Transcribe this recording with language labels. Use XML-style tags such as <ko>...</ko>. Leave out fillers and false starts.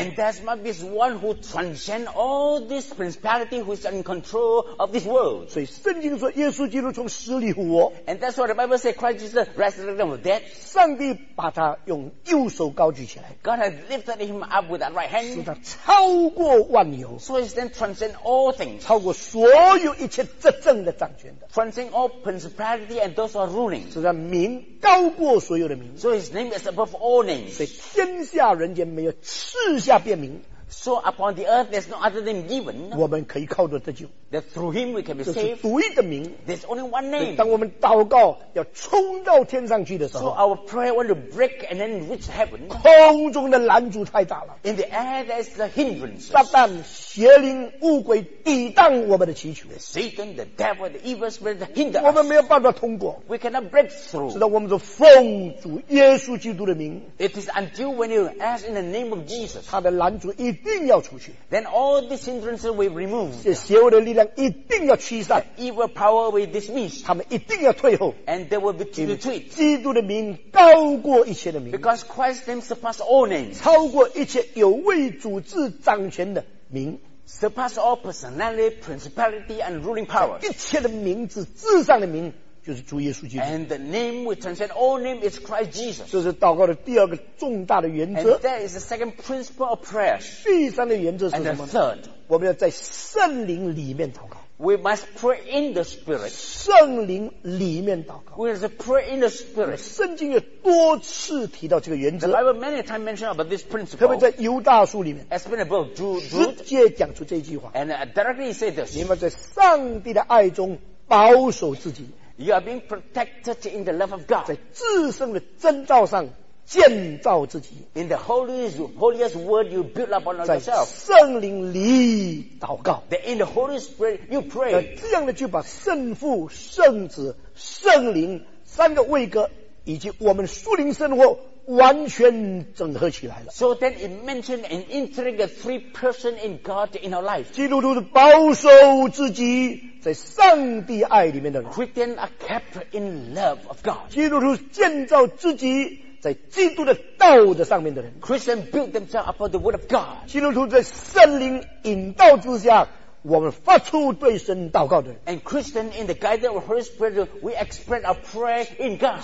<en>And there must be one who transcends all this principality, who is in control of this world.</en> <zh>所以圣经说，耶稣基督从死里复活。</zh> <en>And that's what the Bible says, Christ Jesus resurrected from the dead.</en> <zh>上帝把他用右手高举起来。</zh> <en>God has lifted him up with that right hand.</en> <zh>使他超过万有。</zh> <en>So he then transcends all things.</en> <zh>超过所有一切执政的掌权的。</zh> <en>Transcends all principality and those who are ruling.</en> <zh>使他名高过所有的名。</zh> <en>So his name is above all names. things.</en> <zh>所以天下人间没有赐下便名。</zh> <en>So upon the earth, there's no other name given.</en> <zh>我们可以靠着得救。</zh> <en>That through him we can be saved.</en> <zh>就是独一的名。</zh> <en>There's only one name.</en> <zh>当我们祷告要冲到天上去的时候。</zh> <en>So our prayer want to break and then reach heaven.</en> <zh>空中的拦阻太大了。</zh> <en>In the air, there's the hindrances.</en> <zh>撒旦、邪灵、乌鬼抵挡我们的祈求。</zh> <en>The Satan, the devil, the evil spirit hinder us.</en> <zh>我们没有办法通过。</zh> <en>We cannot break through.</en> <zh>直到我们说奉主耶稣基督的名。</zh> <en>It is until when you ask in the name of Jesus.</en> <zh>他的拦阻一定要出去。</zh> <en>Then all these hindrances will be removed.</en> <zh>这邪恶的力量一定要驱散。</zh> <en>The evil power will be dismissed.</en> <zh>他们一定要退后。</zh> <en>And they will be retreat.</en> <zh>基督的名高过一切的名。</zh> <en>Because Christ's name surpass all names.</en> <zh>超过一切有为主治掌权的名。</zh> <en>Surpass all personality, principality, and ruling powers.</en> <zh>一切的名字至上的名就是主耶稣基督。</zh> <en>And the name we transcend all name is Christ Jesus.</en> <zh>这是祷告的第二个重大的原则。</zh> <en>And that is the second principle of prayer.</en> <zh>第三的原则是什么？</zh> <en>And the third,</en> <zh>我们要在圣灵里面祷告。</zh> <en>We must pray in the Spirit.</en> <zh>圣灵里面祷告。</zh> <en>We must pray in the Spirit.</en> <zh>圣经也多次提到这个原则。</zh> <en>The Bible many times mentioned about this principle.</en> <zh>特别在犹大书里面。</zh> <en>Especially about Jude.</en> <zh>直接讲出这句话。</zh> <en>And directly say this.</en> <zh>你们在上帝的爱中保守自己。</zh> <en>You are being protected in the love of God.</en> <zh>在至圣的真道上建造自己。</zh> <en>In the holiest word you build up on yourself.</en> <zh>在圣灵里祷告。</zh> <en>That in the Holy Spirit you pray.</en> <zh>这样的就把圣父、圣子、圣灵三个位格以及我们属灵生活完全整合起来了。</zh> <en>So then it mentioned an intricate three person in God in our life.</en> <zh>基督徒是保守自己在上帝爱里面的人。</zh> <en>Christian are kept in love of God.</en> <zh>基督徒建造自己在基督的道德上面的人。</zh> <en>Christian build themselves upon the word of God.</en> <zh>基督徒在圣灵引导之下我们发出对神祷告的人。</zh> <en>And Christian in the guidance of the Holy Spirit, we express our prayer in God.</en>